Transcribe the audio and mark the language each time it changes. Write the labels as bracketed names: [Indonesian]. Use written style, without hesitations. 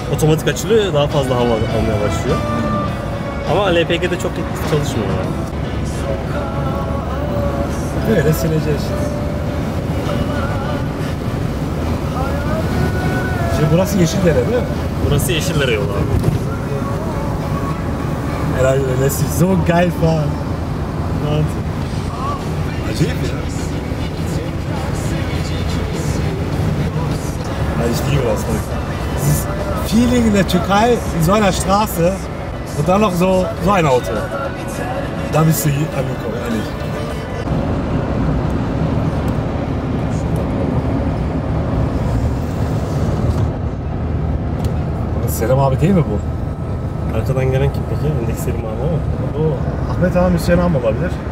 [Turkish] Otomatik açılıyor, daha fazla hava almaya başlıyor. Ama LPG'de çok etkisi çalışmıyor. Yani. Böyle sileceğiz şimdi. Şimdi burası Yeşildere değil mi? Burası Yeşildere yolu abi. [German] Herhalde, der lässt sich so geil fahren. Wahnsinn. Ich liebe das. Dieses Feeling in der Türkei, in so einer Straße und dann noch so ein Auto. Da bist du hier angekommen, ehrlich. Das ist Selim abi [Turkish] değil mi bu? Arkadan gelen kim peki? Ben de Selim abi ama. Bu Ahmet abi, Hüseyin abi olabilir.